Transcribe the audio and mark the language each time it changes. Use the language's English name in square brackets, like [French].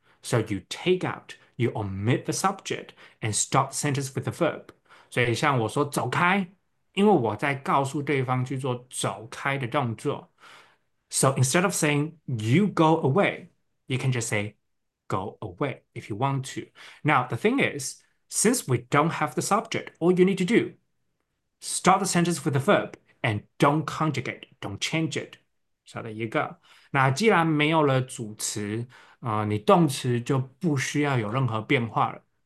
[English] So you take out, you omit the subject, and start sentence with the verb. [Chinese] 所以像我说走开，因为我在告诉对方去做走开的动作. [English] So instead of saying you go away, you can just say go away if you want to. Now the thing is, since we don't have the subject, all you need to do, start the sentence with the verb and don't conjugate, don't change it. [Chinese] 少了一个，那既然没有了主词，你动词就不需要有任何变化了。